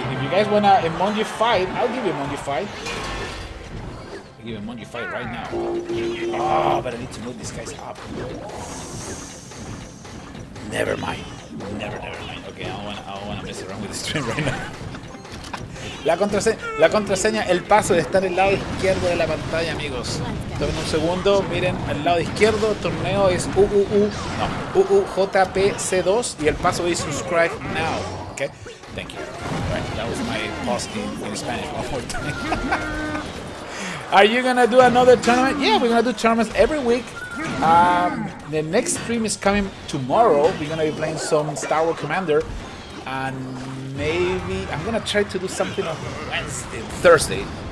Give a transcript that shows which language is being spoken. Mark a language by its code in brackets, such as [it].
[en] If you guys want to emoji fight, I'll give you emoji fight. I'll give you emoji fight right now. Oh, but I need to move these guys up. Never mind. Okay, I don't wanna mess around with the stream right now. [es] la contraseña, el paso de estar el lado izquierdo de la pantalla, amigos. Tomen un segundo, miren, al lado izquierdo, torneo es UUJPC2 y el paso es subscribe now. [en] Okay, thank you. Right, that was my pause in Spanish one more time. Are you gonna do another tournament? Yeah, we're gonna do tournaments every week. The next stream is coming tomorrow. We're gonna be playing some Star Wars Commander, and maybe I'm gonna try to do something on Wednesday, Thursday.